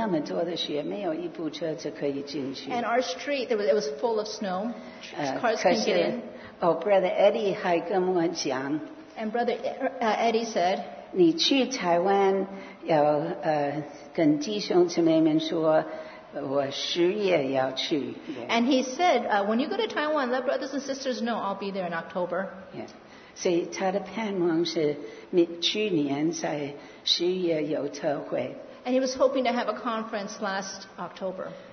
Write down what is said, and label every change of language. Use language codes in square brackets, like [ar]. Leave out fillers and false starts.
[zh] 因为我们那条街那么多的雪，没有一部车子可以进去。 [en] And our street, it was full of snow. Cars couldn't get in. [zh] Oh, Brother Eddie 还跟我讲, [en] And Brother Eddie said, [zh] 你去台湾要, 跟弟兄姊妹们说, 我10月要去。 [en] And he said, when you go to Taiwan, let brothers and sisters know I'll be there in October. Yes. [zh] 所以他的盼望是去年在10月有特会。 [en] And he was hoping to have a conference last October.